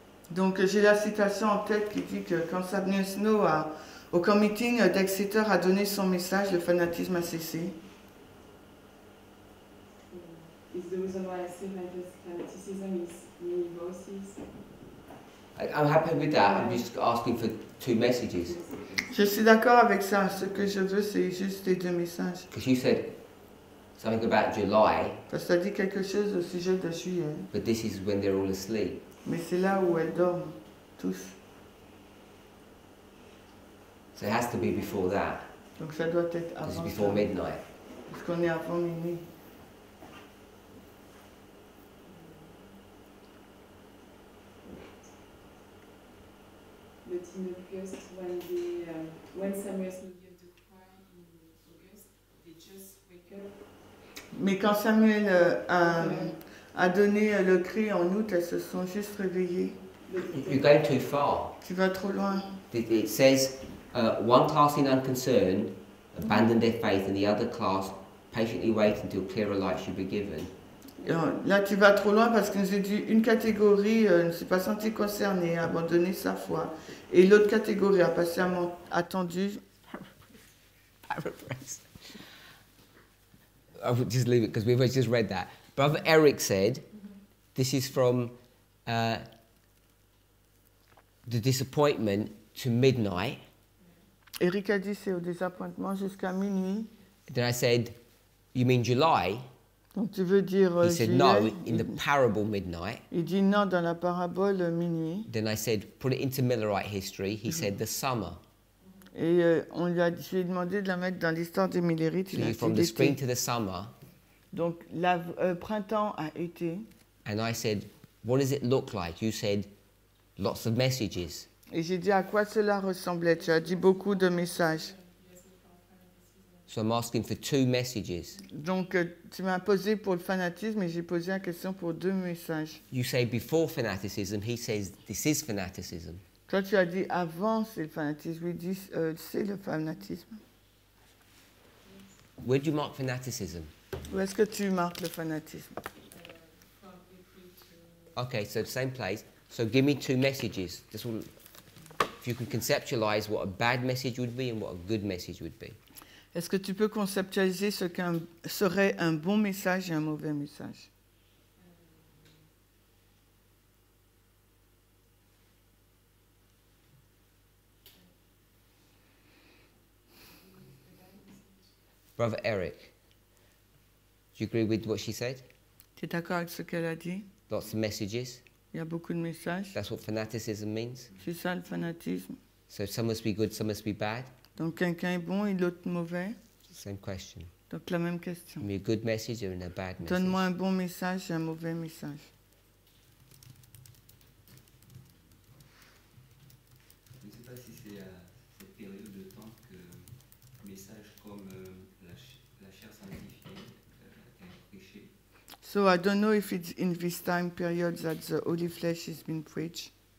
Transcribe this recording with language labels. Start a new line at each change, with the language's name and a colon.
French: Donc j'ai la citation en tête qui dit que quand Samuel Snow a, au meeting d'Exeter a donné son message, le fanatisme a cessé.
English: Is the reason why I say fanaticism is many voices. I'm happy with that. I'm just asking for two messages.
French: Je suis d'accord avec ça. Ce que je veux, c'est juste les deux messages.
English: Because you said something about July.
French: Parce que tu as dit quelque chose au sujet de juillet.
English: But this is when they're all asleep.
French: Mais c'est là où elles dorment tous.
English: So it has to be before that.
French: Donc ça doit être avant.
English: It's before midnight.
French: Parce qu'on est avant minuit.
English: But in August, when Samuel Snow gave the cry in August, they just wake up.
French: Mais quand Samuel a donné le cri en août, elles se sont juste réveillées.
English: You're going too far.
French: Tu vas trop loin.
English: It says, one class in unconcern abandoned their faith, and the other class patiently waited until clearer light should be given.
French: Là, tu vas trop loin parce que nous avons dit une catégorie ne s'est pas sentie concernée, a abandonné sa foi. Et l'autre catégorie a patiemment attendu.
English: I would just leave it because we've just read that. Brother Eric said, this is from the disappointment to midnight.
French: Eric a dit c'est au désappointement jusqu'à minuit.
English: Then I said, you mean July?
French: Donc tu veux dire
English: he said no, in the parable midnight.
French: Il dit non dans la parabole minuit.
English: Then I said, put it into Millerite history. He said the summer.
French: Et on lui a, je lui ai demandé de la mettre dans l'histoire des Millerites.
English: So from the spring to the summer.
French: Donc le printemps à été.
English: And I said, what does it look like? You said, lots of messages.
French: Et j'ai dit à quoi cela ressemblait. Tu as dit beaucoup de messages.
English: So I'm asking for two messages.
French: Donc tu m'as posé pour le fanatisme et j'ai posé la question pour deux messages.
English: You say before fanaticism, he says this is fanaticism.
French: Toi tu as dit avant c'est le fanatisme, lui dit c'est le fanatisme.
English: Where do you mark fanaticism?
French: Où est-ce que tu marques le fanatisme?
English: Okay, so same place. So give me two messages. This one, if you can conceptualize what a bad message would be and what a good message would be.
French: Est-ce que tu peux conceptualiser ce qu'un serait un bon message et un mauvais message?
English: Brother Eric, do you agree with what she said?
French: Tu es d'accord avec ce qu'elle a dit?
English: Lots of messages.
French: Il y a beaucoup de messages.
English: That's what fanaticism means.
French: C'est ça le fanatisme.
English: So some must be good, some must be bad.
French: Donc quelqu'un est bon et l'autre mauvais.
English: Same question.
French: Donc la même question.
English: Give me a good message or a bad message.
French: Donne-moi un bon message et un mauvais message. Je ne sais pas si c'est à cette période de temps que message comme la chair sanctifiée a été prêchée.
English: So I don't know if it's in this time period that the holy flesh has been preached.